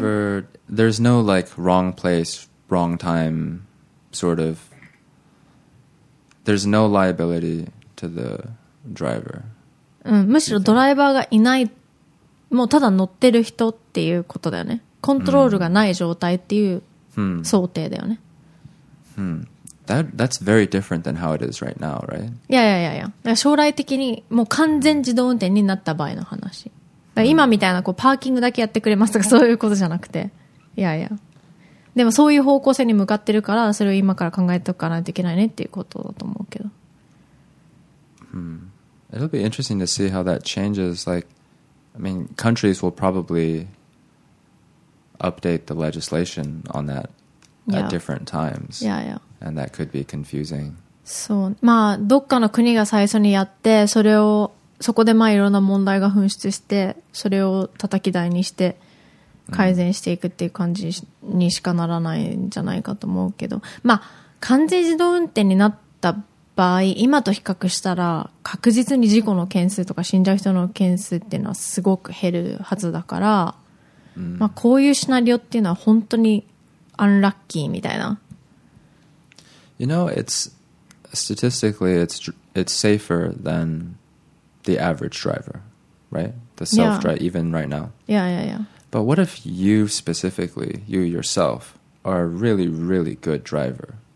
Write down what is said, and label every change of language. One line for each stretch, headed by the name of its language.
English: ブ。The driver... There's no like wrong place, wrong time, sort of. There's no liability to the driver.
Japanese: うん、むしろドライバーがいない、もうただ乗ってる人っていうことだよね。コントロールがない状態っていう想定だよね。
English: That's very different than how it is right now, right?
Japanese: いや。将来的にもう完全自動運転になった場合の話。だから今みたいなこうパーキングだけやってくれますとかそういうことじゃなくて。いや。でもそういう方向性に向かってるから、それを今から考えておかないといけないねっていうことだと思うけど。
English: It'll be interesting to see how that changes. Like, I mean, countries will probably update the legislation on that at different times. And that could be confusing.
Japanese: そう。まあ、どっかの国が最初にやって、それを、そこでまあいろんな問題が噴出して、それを叩き台にして、改善していくっていう感じにしかならないんじゃないかと思うけど、まあ完全自動運転になった場合、今と比較したら確実に事故の件数とか死んじゃう人の件数っていうのはすごく減るはずだから、まあこういうシナリオっていうのは本当にアンラッキーみたいな。
English: You know, it's statistically it's safer than the average driver, right? The self drive even right now. Yeah. But what if you specifically, you yourself, are a really, really good driver?